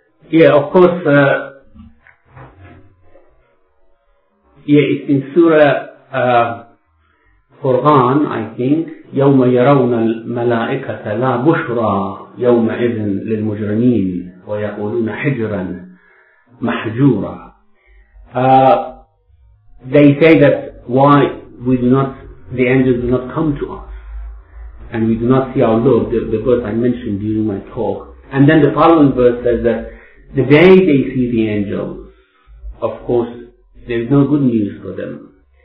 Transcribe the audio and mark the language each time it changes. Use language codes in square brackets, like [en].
[en] Yeah, of course, it's in Surah Quran, I think, [ar] يَوْمَ يَرَوْنَ الْمَلَائِكَةَ لَا بُشْرَى يَوْمَ إِذٍ لِلْمُجْرِمِينَ وَيَقُولُونَ حِجْرًا مَحْجُورًا. [en] They say that why we do not, the angels do not come to us, and we do not see our Lord, the verse I mentioned during my talk. And then the following verse says that the day they see the angels, of course, there is no good news for them.